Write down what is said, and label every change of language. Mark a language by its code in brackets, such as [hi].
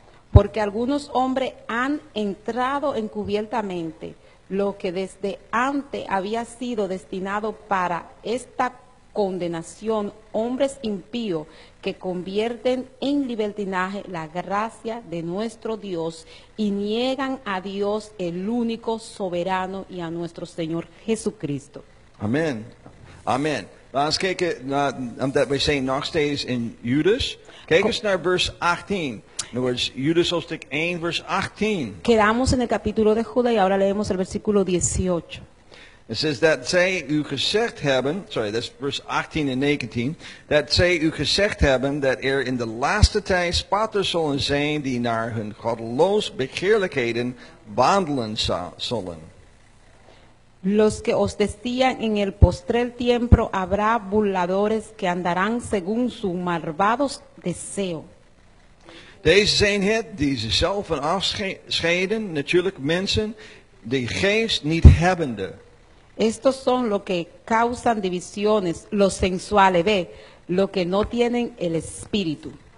[es] Porque algunos hombres han entrado encubiertamente, lo que desde antes había sido destinado para esta condenación, hombres impíos que convierten en libertinaje la gracia de nuestro Dios y niegan a Dios el único soberano y a nuestro Señor Jesucristo. Amén. Amén. [nl] Laten we eens kijken omdat we zijn nog steeds in Judas. Kijk eens naar vers 18. [en] In other words, [nl] Judas hoofdstuk 1, vers 18. [es] Quedamos en el capítulo de Judas y ahora leemos el versículo 18. [nl] It says that zij u gezegd hebben, [en] sorry, that's verse 18 and 19, [nl] that zij u gezegd hebben dat er in de laatste tijd spotters zullen zijn die naar hun godloos begeerlijkheden wandelen zullen. [es] Los que os decían en el postrer tiempo habrá burladores que andarán según su malvados deseo. [nl] Deze zijn het die zichzelf van afscheiden, natuurlijk mensen die geest niet hebbende. [es] Estos son los que causan divisiones, los sensuales, ve, los que no tienen el espíritu.